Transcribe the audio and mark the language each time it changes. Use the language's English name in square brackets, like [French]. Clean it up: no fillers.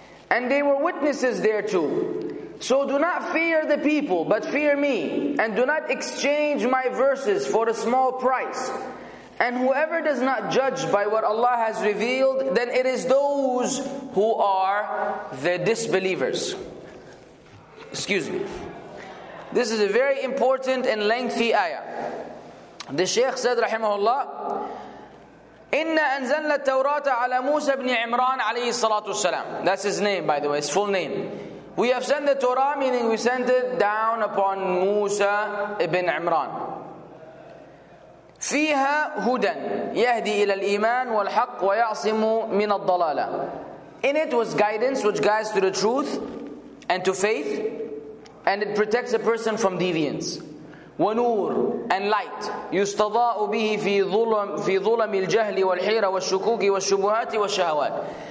[English] And they were witnesses thereto. So do not fear the people, but fear me, and do not exchange my verses for a small price. And whoever does not judge by what Allah has revealed, then it is those who are the disbelievers. Excuse me. This is a very important and lengthy ayah. The Shaykh said, rahimahullah, [Arabic] إِنَّا أَنزَلْنَا التَّوْرَاةَ عَلَى مُوسَى بْنِ عِمْرَانَ عَلَيْهِ الصَّلَاةُ وَالسَّلَامُ. [English] That's his name, by the way, his full name. We have sent the Torah, meaning we sent it down upon Musa ibn Imran. [Arabic] فِيهَا هُدًى يَهْدِي إِلَى الْإِيمَانِ وَالْحَقِّ وَيَعْصِمُ مِنَ الضَّلَالَةِ. [English] In it was guidance which guides to the truth and to faith, and it protects a person from deviance. [Arabic] ونور [English] and light. [Arabic] يستضاء به في ظلم الجهل والحيرة والشكوك والشبهات والشهوات.